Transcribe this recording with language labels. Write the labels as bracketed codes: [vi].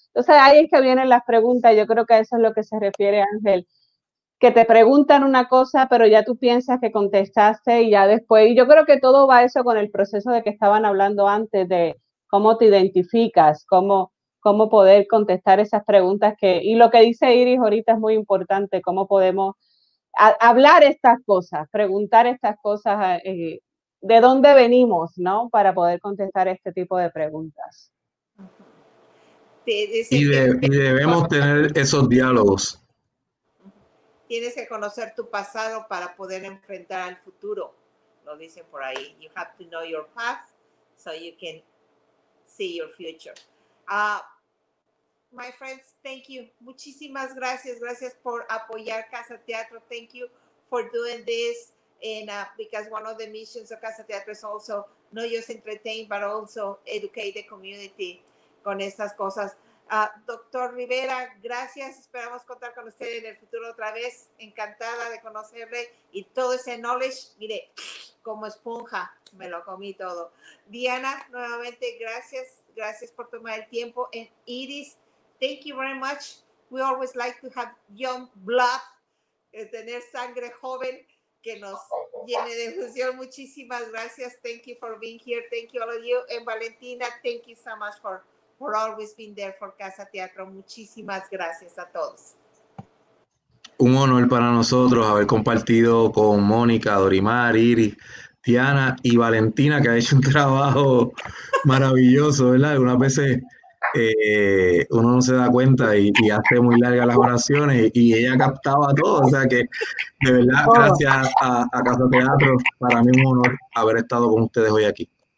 [es] Entonces ahí es que vienen las preguntas, yo creo que a eso es lo que se refiere Ángel, que te preguntan una cosa, pero ya tú piensas que contestaste y ya después, y yo creo que todo va eso con el proceso de que estaban hablando antes de cómo te identificas, cómo poder contestar esas preguntas que, y lo que dice Iris ahorita es muy importante, cómo podemos hablar estas cosas, preguntar estas cosas, de dónde venimos, ¿no? Para poder contestar este tipo de preguntas. Y debemos tener esos diálogos. Tienes que conocer tu pasado para poder enfrentar al futuro. Lo dice por ahí. [en] You have to know your past so you can see your future. My friends, thank you. [es] Muchísimas gracias. Gracias por apoyar Casa Teatro. [en] Thank you for doing this. And because one of the missions of Casa Teatro is also not just entertain, but also educate the community [es] con estas cosas. Doctor Rivera, gracias. Esperamos contar con usted en el futuro otra vez. Encantada de conocerle y todo ese knowledge. Mire, como esponja, me lo comí todo. Diana, nuevamente, gracias. Gracias por tomar el tiempo. [en] And Iris, thank you very much. We always like to have young blood, [es] tener sangre joven que nos llene de ilusión. Muchísimas gracias. [en] Thank you for being here. Thank you all of you. And Valentina, thank you so much for always being there for Casa Teatro. [es] Muchísimas gracias a todos. Un honor para nosotros haber compartido con Mónica, Dorimar, Iris, Diana y Valentina, que ha hecho un trabajo maravilloso, ¿verdad? Algunas veces uno no se da cuenta y hace muy largas las oraciones y ella captaba todo, o sea que de verdad, gracias a Casa Teatro, para mí es un honor haber estado con ustedes hoy aquí.